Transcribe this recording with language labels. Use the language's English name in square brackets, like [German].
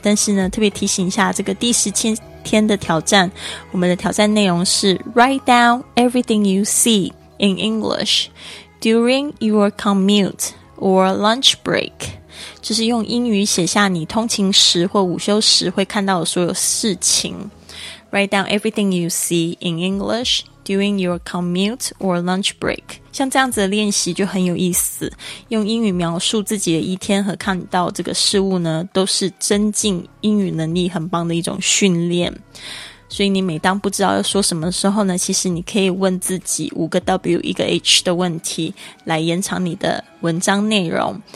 [Chinese] 但是呢特别提醒一下，这个第17天的挑战，我们的挑战内容是 [English] Write down everything you see in English, during your commute or lunch break. [Chinese] 就是用英语写下你通勤时或午休时会看到的所有事情。 [English] Write down everything you see in English during your commute or lunch break. [Chinese] 像这样子的练习就很有意思。用英语描述自己的一天和看到这个事物呢，都是增进英语能力很棒的一种训练。所以你每当不知道要说什么时候呢，其实你可以问自己五个 W 一个 H 的问题来延长你的文章内容。